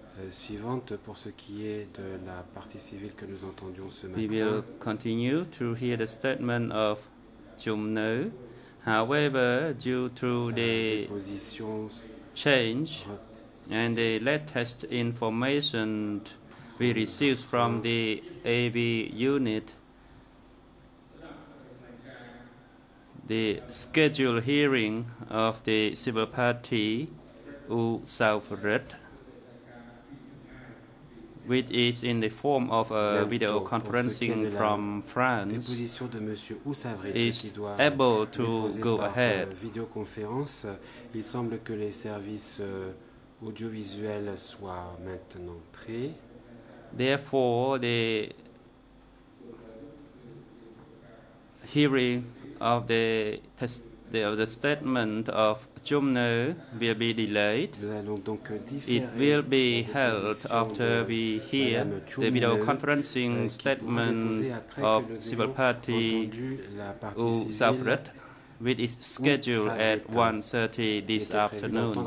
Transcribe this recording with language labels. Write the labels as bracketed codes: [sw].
[fr] suivante pour ce qui est de la partie civile que nous entendions ce matin. [en] We will continue to hear the statement of Jumno. However, due to the change and the latest information we received from the AV unit, the scheduled hearing of the civil party U South Red, which is in the form of a video conferencing from France, [fr] de Monsieur Oussavret, [en] is [fr] qui doit [en] able to go ahead. [fr] Vidéoconférence. Il semble que les services audiovisuels soient maintenant prêts. [en] Therefore, the hearing of the statement of Jumno will be delayed. [fr] Nous allons donc différer. [en] It will be held after we hear the video conferencing statement of civil party U South Red, which is scheduled at 1:30 this afternoon.